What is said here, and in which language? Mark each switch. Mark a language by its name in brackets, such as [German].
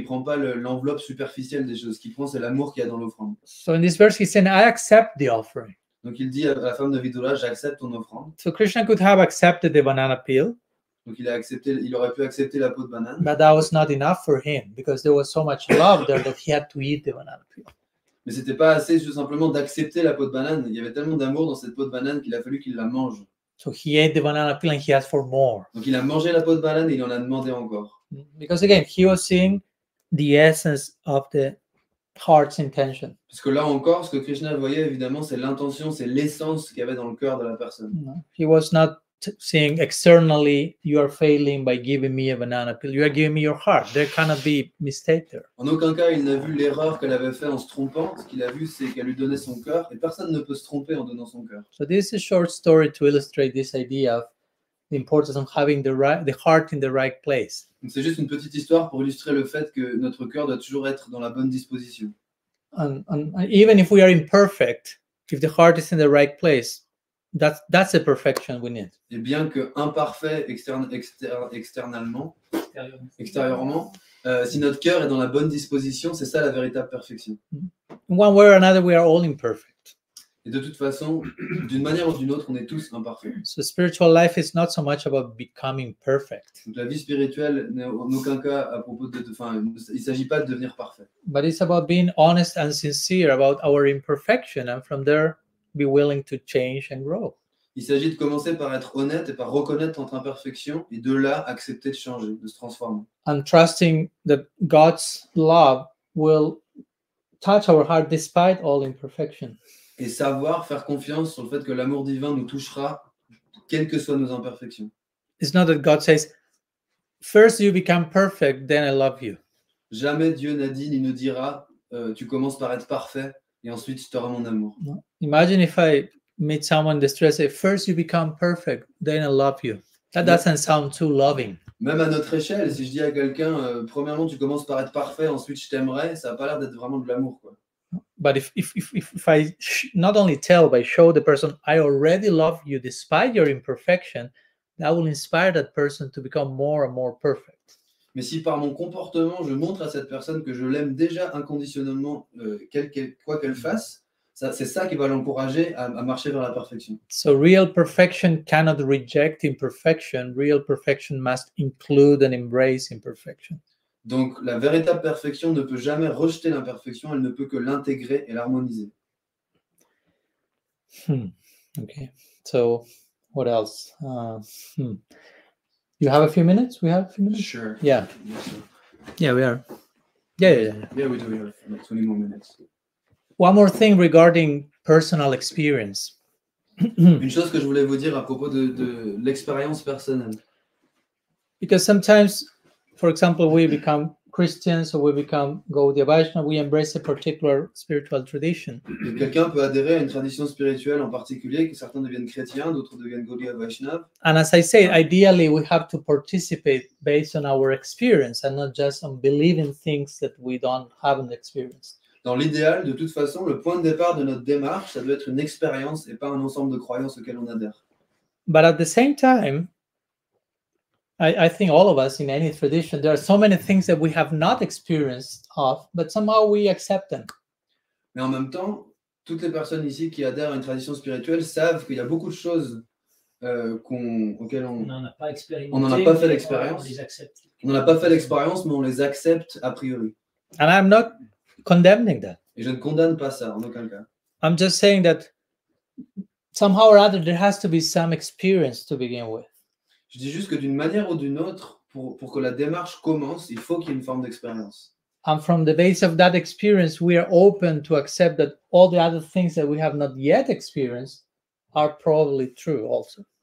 [French] Il ne prend pas l'enveloppe superficielle des choses. Ce qu'il prend, c'est l'amour qu'il y a dans l'offrande. [English] So in this verse, he's saying, I accept the offering. [French] Donc il dit à la femme de Vidura, j'accepte ton offrande. [English] So Krishna could have accepted the banana peel. [French] Donc il a accepté, il aurait pu accepter la peau de banane. [English] But that was not enough for him because there was so much love there that he had to eat the banana peel. [French] Mais c'était pas assez tout simplement d'accepter la peau de banane. Il y avait tellement d'amour dans cette peau de banane qu'il a fallu qu'il la mange. [English] So he ate the banana peel and he asked for more. [French] Donc il a mangé la peau de banane et il en a demandé encore. [English] Because again, he was seeing the essence of the heart's intention. [French] Parce que là encore, ce que Krishna voyait évidemment, c'est l'intention, c'est l'essence qu'il y avait dans le cœur de la personne. [English] He was not saying externally, you are failing by giving me a banana peel. You are giving me your heart. There cannot be mistake there. [French] En aucun cas, il n'a vu l'erreur qu'elle avait fait en se trompant. Ce qu'il a vu, c'est qu'elle lui donnait son cœur, et personne ne peut se tromper en donnant son cœur. [English] So this is a short story to illustrate this idea of the importance of having the heart in the right place. [French] Donc c'est juste une petite histoire pour illustrer le fait que notre cœur doit toujours être dans la bonne disposition. [English] And even if we are imperfect, if the heart is in the right place, that's the perfection we need. [French] Et bien que imparfait extérieurement, si notre cœur est dans la bonne disposition, c'est ça la véritable perfection. [English] One way or another, we are all imperfect. [French] Et de toute façon, d'une manière ou d'une autre, on est tous imparfaits. [English] So spiritual life is not so much about becoming perfect. [French] Donc la vie spirituelle n'est en aucun cas à propos de, enfin, il s'agit pas de devenir parfait. [English] But it's about being honest and sincere about our imperfection, and from there, be willing to change and grow. [French] Il s'agit de commencer par être honnête et par reconnaître notre imperfection, et de là accepter de changer, de se transformer. [English] And trusting that God's love will touch our heart despite all imperfection. [French] Et savoir faire confiance sur le fait que l'amour divin nous touchera, quelles que soient nos imperfections. [English] It's not that God says, first you become perfect, then I love you. [French] Jamais Dieu n'a dit ni ne dira, tu commences par être parfait et ensuite tu auras mon amour. [English] No. Imagine if I meet someone in distress, say, first you become perfect, then I love you. That doesn't sound too loving. [French] Même à notre échelle, si je dis à quelqu'un, premièrement tu commences par être parfait, ensuite je t'aimerai, ça n'a pas l'air d'être vraiment de l'amour, quoi. [English] But if I not only tell but show the person I already love you despite your imperfection, that will inspire that person to become more and more perfect. [French] Mais si par mon comportement je montre à cette personne que je l'aime déjà inconditionnellement, quoi qu'elle fasse, ça, c'est ça qui va l'encourager à marcher vers la perfection. [English] So real perfection cannot reject imperfection. Real perfection must include and embrace imperfection. [French] Donc la véritable perfection ne peut jamais rejeter l'imperfection, elle ne peut que l'intégrer et l'harmoniser. [English] Okay. So what else? You have a few minutes? We have a few minutes? Sure. Yeah. Yes, yeah, we are. Yeah. Yeah, we do. We have like 20 more minutes. One more thing regarding personal experience. [French] Une chose que je voulais vous dire à propos de l'expérience personnelle. [English] Because sometimes, for example, we become Christians or we become Gaudiya Vaishnava, we embrace a particular spiritual tradition. [French] Et quelqu'un peut adhérer à une tradition spirituelle en particulier, que certains deviennent chrétiens, d'autres deviennent Gaudiya Vaishnava. [English] And as I said, ideally we have to participate based on our experience and not just on believing things that we don't have an experience. [French] Dans l'idéal, de toute façon, le point de départ de notre démarche, ça doit être une expérience et pas un ensemble de croyances auxquelles on adhère. [English] But at the same time, I think all of us in any tradition, there are so many things that we have not experienced of, but somehow we accept them. [French] Mais en même temps, toutes les personnes ici qui adhèrent à une tradition spirituelle savent qu'il y a beaucoup de choses auxquelles on n'en a pas fait l'expérience. On n'en a pas fait l'expérience, mais on les accepte a priori. [English] And I'm not condemning that. [French] Et je ne condamne pas ça, en aucun cas. [English] I'm just saying that somehow or other, there has to be some experience to begin with. [French] Je dis juste que d'une manière ou d'une autre, pour que la démarche commence, il faut qu'il y ait une forme d'expérience. [English] And from the base of that experience, we are open to accept that all the other things that we have not yet experienced are probably true also.